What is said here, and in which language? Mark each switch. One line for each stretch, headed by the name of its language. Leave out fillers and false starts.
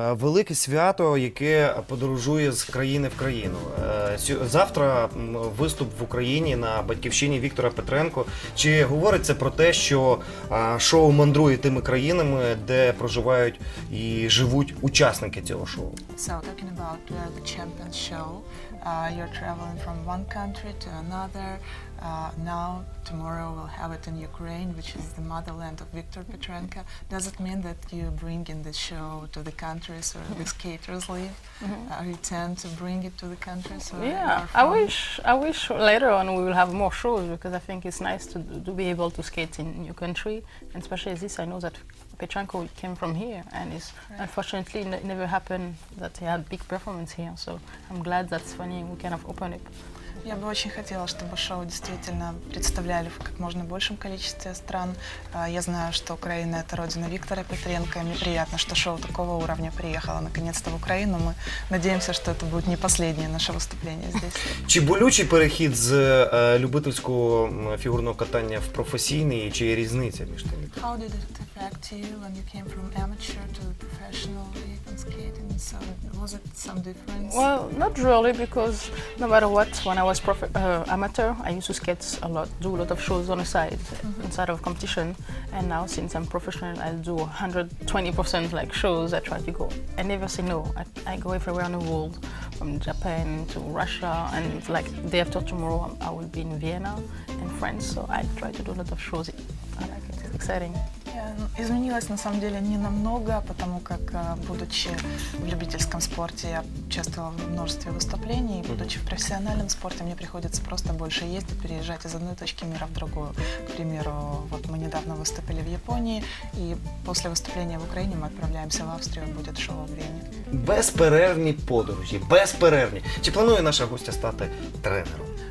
Ukrainian: Велике свято, яке подорожує з країни в країну. Завтра виступ в Україні на батьківщині Віктора Петренко. Чи говориться про те, що шоу мандрує тими країнами, де проживають і живуть учасники цього шоу?
English: So, talking about the champion show, you're traveling from one country to another. Now, tomorrow we'll have it in Ukraine, which is the motherland of Viktor Petrenko. Does it mean that you bring in the show to the countries where the skaters live? Mm-hmm. You tend to bring it to the countries? I wish later on we will have more shows, because I think it's nice to be able to skate in new country. And especially this, I know that Petrenko came from here, and it's right. Unfortunately never happened that he had big performance here. So I'm glad that's funny we kind of open it.
Russian: Я бы очень хотела, чтобы шоу действительно представляли в как можно большем количестве стран. Я знаю, что Украина – это родина Виктора Петренко. Мне приятно, что шоу такого уровня приехало наконец-то в Украину. Мы надеемся, что это будет не последнее наше выступление здесь.
Ukrainian: Чи болючий перехід з любительського фігурного катання в професійний, і чи є різниця між тими?
English: How did it affect you when you came from amateur to professional even skating? So was it some difference? Well, not really, because no matter what, when I was amateur, I used to skate a lot, do a lot of shows on the side, mm-hmm. inside of competition. And now, since I'm professional, I do 120% like shows. I try to go. I never say no. I go everywhere in the world, from Japan to Russia, and like day after tomorrow, I will be in Vienna and France. So I try to do a lot of shows. I like it. It's exciting.
Russian: Изменилось на самом деле не намного, потому как, будучи в любительском спорте, я участвовала в множестве выступлений, и будучи в профессиональном спорте, мне приходится просто больше ездить, переезжать из одной точки мира в другую. К примеру, вот мы недавно выступили в Японии, и после выступления в Украине мы отправляемся в Австрию, будет шоу в Вене.
Ukrainian: Безперервні подорожі, безперервні. Чи планує наша гостя стати тренером?